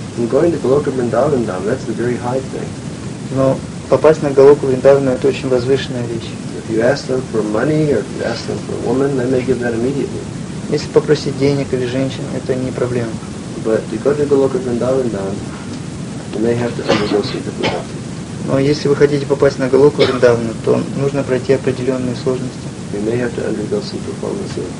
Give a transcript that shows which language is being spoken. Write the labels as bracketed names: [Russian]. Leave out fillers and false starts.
[English] Going to Галока Вриндаван, that's a very high thing. [Russian] Но попасть на Галоку Вриндаван это очень возвышенная вещь. [English] If you ask them for money or if you ask them for a woman, they may give that immediately. [Russian] Если попросить денег или женщин, это не проблема. [English] But to go to Галока Вриндаван, you may have to undergo some difficulty. [Russian] Но если вы хотите попасть на Галоку Вриндаван, то нужно пройти определенные сложности. [English] You may have to undergo some performance.